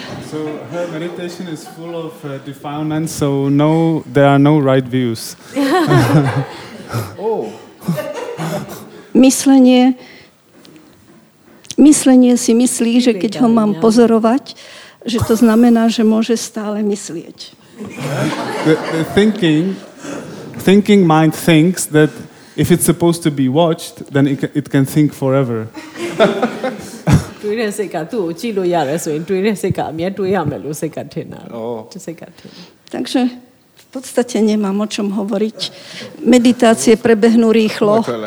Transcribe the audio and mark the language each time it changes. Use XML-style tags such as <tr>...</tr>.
<en>So her meditation is full of defilements, so no, there are no right views. Oh.</en> <sk>Myslenie si myslí, že keď ho mám pozorovať, že to znamená, že môže stále myslieť.</sk> <en>The thinking mind thinks that if it's supposed to be watched, then it can think forever.</en> <sk>Takže v podstate nemám o čom hovoriť. Meditácie prebehnú rýchlo.</sk>